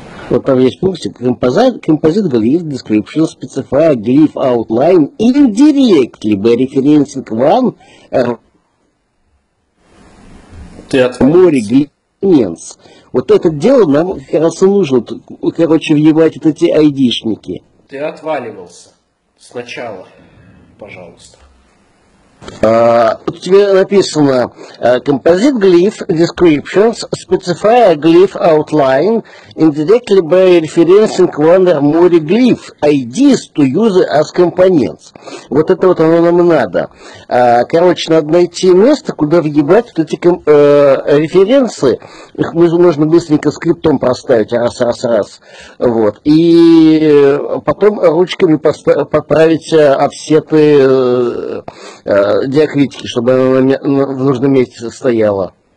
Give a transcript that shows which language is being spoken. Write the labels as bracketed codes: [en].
[ru] Вот там есть пунктик. [en] Composite glyph description specify glyph outline indirectly by referencing one more glyphs. [ru] Вот это дело нам как раз и нужно. Короче, въебать вот эти айдишники. Ты отваливался. Сначала. Пожалуйста. Тут тебе написано [en] Composite Glyph Descriptions Specify a Glyph Outline Indirectly by Referencing One or More Glyph IDs to use as Components. [ru] Вот это вот оно нам надо. Короче, надо найти место, куда въебать вот эти референсы. Их можно быстренько скриптом поставить. Раз. Вот. И потом ручками поправить офсеты диакритики, чтобы она в нужном месте стояла.